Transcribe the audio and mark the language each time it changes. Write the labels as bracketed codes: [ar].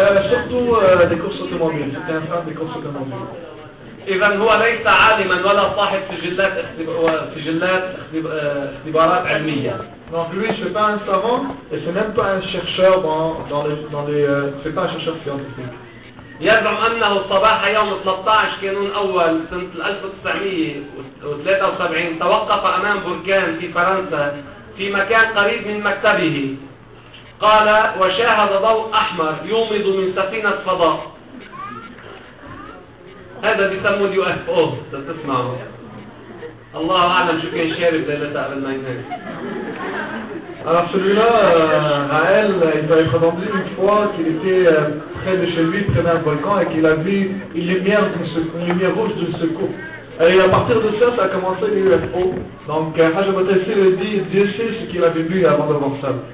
[fr] Surtout des courses automobiles. C'est un fan des courses automobiles. [ar] إذن هو ليس عالما ولا صاحب سجلات اختبارات علمية. [fr] Donc lui, c'est pas un savant et c'est même pas un chercheur dans les c'est pas un chercheur scientifique. [ar] يزعم أنه الصباح يوم 13 كانون أول سنة 1973 توقف أمام بركان في فرنسا في مكان قريب من مكتبه. قال وشاهد ضوء أحمر يومض من سفينة فضاء. هذا بيسموه يو اف او. تسمعوا الله أعلم شو كان شارب ليلة قبل ما ينام. [fr] Alors celui-là, Raël, il avait présenté une fois qu'il était près de chez lui, près d'un volcan, et qu'il a vu une lumière rouge d'une secoue. Et à partir de ça, ça a commencé l'UFO. Donc, Hajj Abbas le dit, Dieu sait ce qu'il avait vu avant de voir ça.